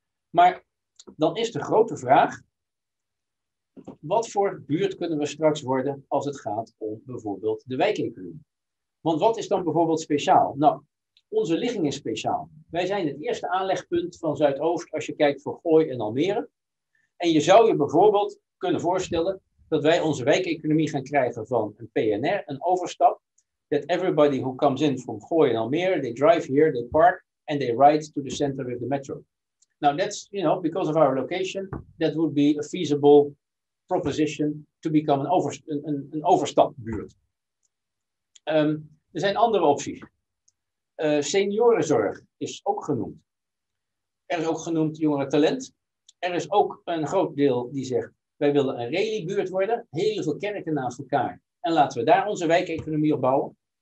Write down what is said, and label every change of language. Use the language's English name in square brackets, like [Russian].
[Dutch] Maar dan is de grote vraag, wat voor buurt kunnen we straks worden als het gaat om bijvoorbeeld de wijkeconomie? Want wat is dan bijvoorbeeld speciaal? Nou, onze ligging is speciaal. Wij zijn het eerste aanlegpunt van Zuidoost als je kijkt voor Gooi en Almere. En je zou je bijvoorbeeld kunnen voorstellen dat wij onze wijkeconomie gaan krijgen van een PNR, een overstap. [English] That everybody who comes in from Gooi en Almere, they drive here, they park, and they ride to the center of the metro. Now that's, you know, because of our location, that would be a feasible proposition to become an overstapbuurt. [Dutch] Er zijn andere opties. Seniorenzorg is ook genoemd. Er is ook genoemd jongerentalent. Er is ook een groot deel die zegt, wij willen een rallybuurt worden. Heel veel kerken naast elkaar. En laten we daar onze wijkeconomie op bouwen.